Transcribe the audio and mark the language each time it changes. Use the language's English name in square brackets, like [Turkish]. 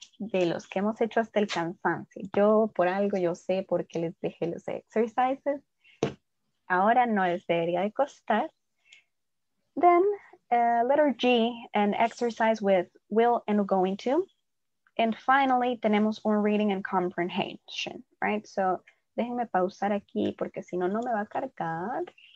[Spanish] De los que hemos hecho hasta el cansancio. Yo, por algo, yo sé por qué les dejé los exercises. Ahora no les debería de costar. [English] Then, letter G, an exercise with will and going to. And finally, [Spanish] tenemos un [English] reading and comprehension, right? [Spanish] So, déjenme pausar aquí porque si no, no me va a cargar.